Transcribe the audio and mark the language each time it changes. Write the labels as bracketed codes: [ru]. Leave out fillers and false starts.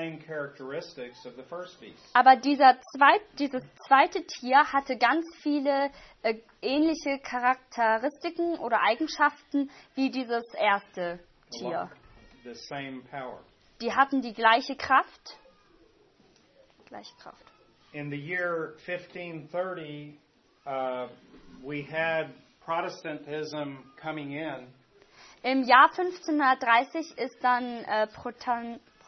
[de] Aber dieses zweite Tier hatte ganz viele ähnliche Charakteristiken oder Eigenschaften wie dieses erste Tier. [en] The same power. [de] Die hatten die gleiche Kraft. [en] In the year 1530, we had Protestantism coming in. [de] Im Jahr 1530 ist dann Protestantismus.